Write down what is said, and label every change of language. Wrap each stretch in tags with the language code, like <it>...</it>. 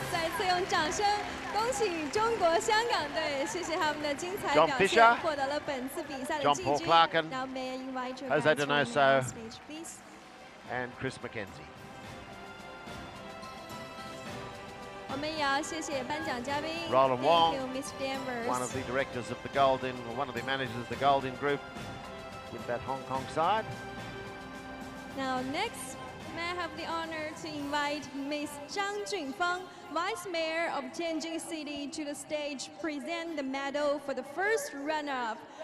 <zh>再次用掌声恭喜中国香港队，谢谢他们的精彩表现，</zh> <en>John Fisher,</en> <zh>获得了本次比赛的季军。</zh> <en>Now may I invite you back to the stage, please. And Chris McKenzie.</en> <zh>我们也要谢谢颁奖嘉宾。</zh> <en>Roland Wong, Mr. Danvers, one of the directors of the Goldin, one of the managers of the Goldin Group in that Hong Kong side. Now next. May I have the honor to invite Ms. Zhang Junfeng, Vice Mayor of Tianjin City, to the stage, present the medal for the first runner-up.</en>